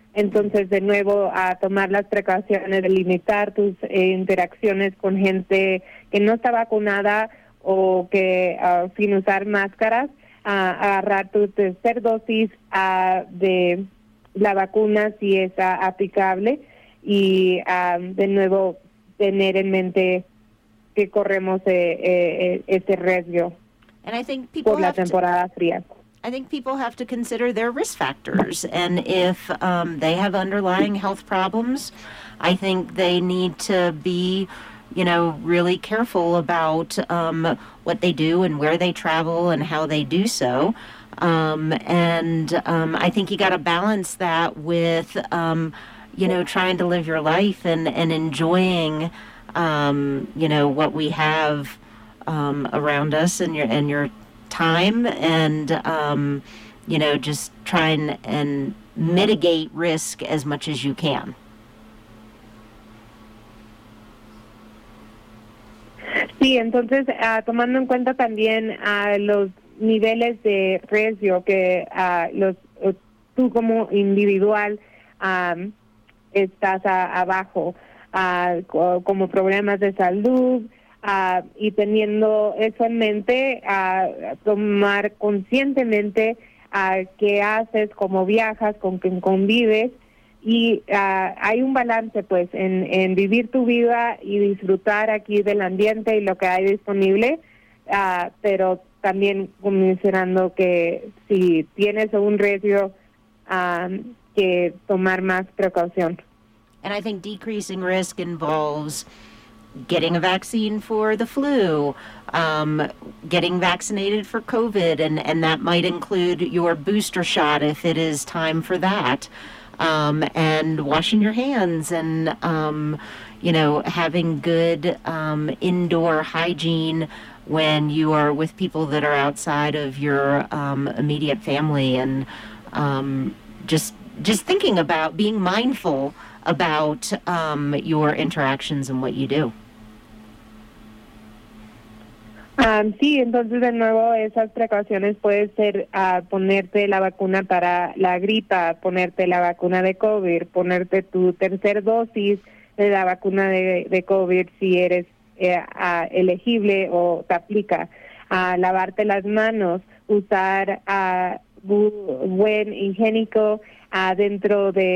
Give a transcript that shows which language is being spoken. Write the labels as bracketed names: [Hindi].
[Spanish] Entonces, de nuevo, a tomar las precauciones de limitar tus interacciones con gente que no está vacunada o que sin usar máscaras, agarrar tu tercera dosis de la vacuna si es aplicable, y de nuevo tener en mente que corremos ese riesgo por la temporada fría. [English] I think people have to consider their risk factors, and if they have underlying health problems, I think they need to be, you know, really careful about what they do and where they travel and how they do so. And I think you got to balance that with, you know, trying to live your life and enjoying, you know, what we have around us and your time, and you know, just try and mitigate risk as much as you can. [Spanish] Sí, entonces, tomando en cuenta también los niveles de riesgo que tú como individual estás abajo, como problemas de salud, y teniendo eso en mente, tomar conscientemente qué haces, cómo viajas, con quién convives, y hay un balance, pues, en vivir tu vida y disfrutar aquí del ambiente y lo que hay disponible, pero también considerando que si tienes un riesgo, que tomar más precaución. [English] And I think decreasing risk involves getting a vaccine for the flu, getting vaccinated for COVID, and that might include your booster shot if it is time for that, and washing your hands, and you know, having good indoor hygiene when you are with people that are outside of your immediate family, and just thinking about being mindful about your interactions and what you do. [Spanish] Sí, entonces de nuevo esas precauciones pueden ser ponerte la vacuna para la gripa, ponerte la vacuna de COVID, ponerte tu tercer dosis de la vacuna de COVID si eres elegible o te aplica, lavarte las manos, usar buen higiénico adentro